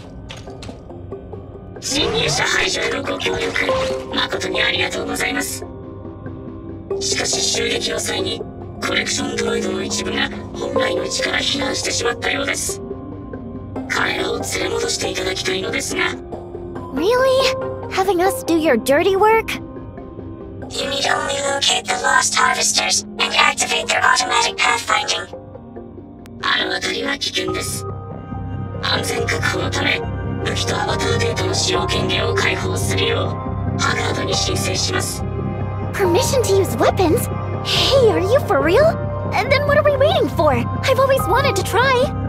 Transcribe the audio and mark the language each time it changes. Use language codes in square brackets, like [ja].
[ja] 者排除へのご協力誠にありがとうございます。しかし襲撃の際にコレクションドロイドの一部が本来の位置から避難してしまったようです。彼らを連れ戻していただきたいのですが。 [en] Really? Having us do your dirty work? You need only locate the lost harvesters and activate their automatic pathfinding. [ja] あの辺りは危険です。安全確保のため武器とアバターデータの使用権限を解放するようハガードに申請します。 [en] Permission to use weapons? Hey, are you for real? And then what are we waiting for? I've always wanted to try.